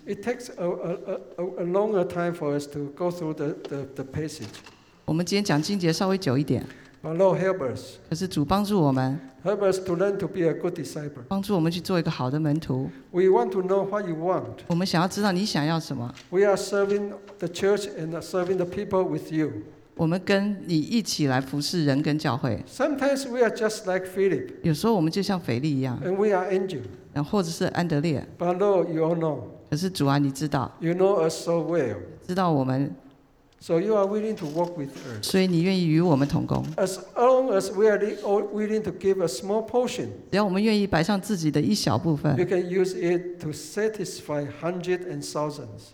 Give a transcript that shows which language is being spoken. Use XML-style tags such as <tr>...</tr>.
<en>It takes a longer time for us to go through the passage.</en> <zh>我们今天讲经节稍微久一点。</zh> <en>But Lord, help us.</en> <zh>可是主帮助我们。</zh> <en>Help us to learn to be a good disciple.</en> <zh>帮助我们去做一个好的门徒。</zh> <en>We want to know what you want.</en> <zh>我们想要知道你想要什么。</zh> <en>We are serving the church and serving the people with you.</en> <zh>我们跟你一起来服侍人跟教会。</zh> <en>Sometimes we are just like Philip.</en> <zh>有时候我们就像腓力一样。</zh> <en>And we are Andrew.</en> <zh>然后或者是安德烈。</zh> <en>But Lord, you all know.</en> <zh>可是主啊，你知道。</zh> <en>You know us so well.</en> <zh>知道我们。</zh> <en>So you are willing to work with us.</en> <zh>所以你愿意与我们同工。</zh> <en>As long as we are willing to give a small portion.</en> <zh>只要我们愿意摆上自己的一小部分。</zh> <en>You can use it to satisfy hundreds and thousands.</en>